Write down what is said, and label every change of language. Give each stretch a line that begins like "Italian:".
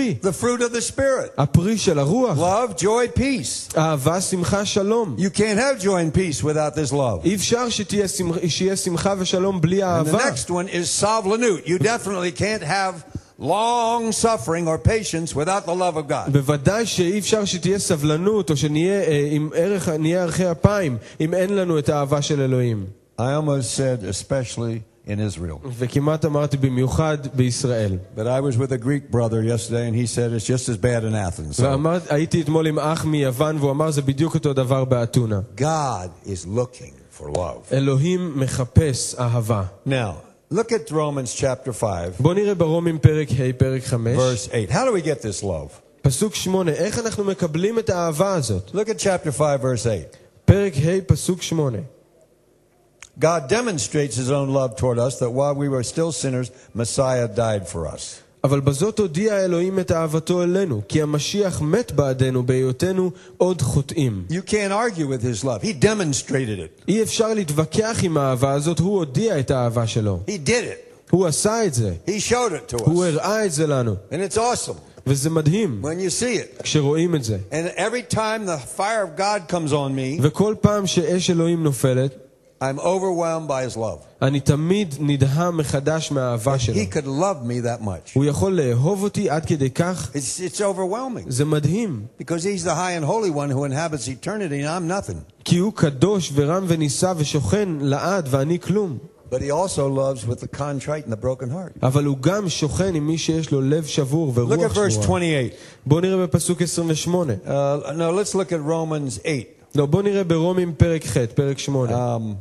English: The fruit of the Spirit. Love, joy, peace. You can't have joy and peace without this love. And the next one is sovlanut. You definitely can't have long suffering or patience without the love of God.
Hebrew: בוודאי שאי אפשר שתהיה סבלנות או שנהיה עם ערך, נהיה ערכי אפיים אם אין לנו את האהבה של אלוהים.
English: I almost said especially in Israel.
Hebrew: וכמעט אמרתי במיוחד בישראל.
English: But I was with a Greek brother yesterday and he said it's just as bad in Athens.
Hebrew: הייתי אתמול עם אח מיוון והוא אמר זה בדיוק אותו דבר באתונה.
English: God is looking for love.
Hebrew: אלוהים מחפש אהבה.
English: Now, look at Romans chapter 5.
Hebrew: בוא נראה ברומים פרק ה' פרק 5.
English: Verse 8. How do we get this love?
Hebrew: פסוק 8. איך אנחנו מקבלים את האהבה הזאת?
English: Look at chapter 5 verse 8.
Hebrew: פרק ה' פסוק 8.
English: God demonstrates his own love toward us that while we were still sinners, Messiah died for us.
Hebrew: אבל בזאת הודיע אלוהים את אהבתו אלינו, כי המשיח מת בעדנו בהיותנו עוד חוטאים.
English: You can't argue with his love. He demonstrated it.
Hebrew: אי אפשר להתווכח עם האהבה הזאת, הוא הודיע את האהבה שלו.
English: He did it.
Hebrew: הוא עשה את זה.
English: He showed it to us.
Hebrew: הוא הראה את זה לנו.
English: And it's awesome.
Hebrew: וזה מדהים.
English: When you see it.
Hebrew: כשרואים את זה.
English: And every time the fire of God comes on me,
Hebrew: וכל פעם שאש אלוהים נופלת,
English: I'm overwhelmed by his love.
Hebrew: אני תמיד נדהם מחדש מהאהבה שלו.
English: He could love me that much.
Hebrew: הוא יכול לאהוב אותי עד כדי כך.
English: It's overwhelming.
Hebrew: זה מדהים.
English: Because he's the high and holy one who inhabits eternity and I'm nothing.
Hebrew: כי הוא קדוש ורם ונישא ושוכן לעד ואני כלום.
English: But he also loves with the contrite and the broken heart.
Hebrew: אבל הוא גם שוכן עם מי שיש לו לב שבור ורוח שבורה.
English: Look at verse 28.
Hebrew: בוא נראה בפסוק 28.
English: Now let's look at Romans 8.
Hebrew: לא, בוא נראה ברומים פרק ח', פרק 8.